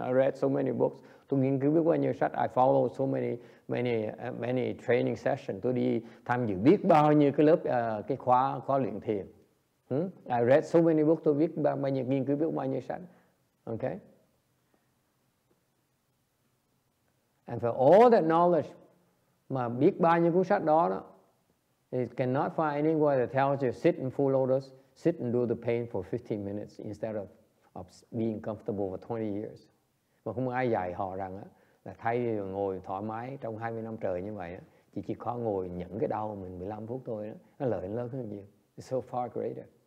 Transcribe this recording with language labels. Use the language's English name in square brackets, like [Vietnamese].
[English] I read so many books. [Vietnamese] Tôi nghiên cứu biết bao nhiêu sách. [English] I follow so many training sessions. [Vietnamese] Tôi đi tham dự biết bao nhiêu cái lớp, cái khóa luyện thiền. [English] I read so many books, [Vietnamese] tôi viết bao nhiêu nghiên cứu, viết bao nhiêu sách. [English] Okay? And for all that knowledge, [Vietnamese] mà biết bao nhiêu cuốn sách đó, [English] it cannot find anywhere that tells you sit in full lotus, sit and do the pain for 15 minutes instead of being comfortable for 20 years. [Vietnamese] Mà không ai dạy họ rằng là thay vì ngồi thoải mái trong 20 năm trời như vậy, chỉ khó ngồi nhẫn cái đau mình 15 phút thôi, nó lợi lớn hơn nhiều. [English] It's so far greater.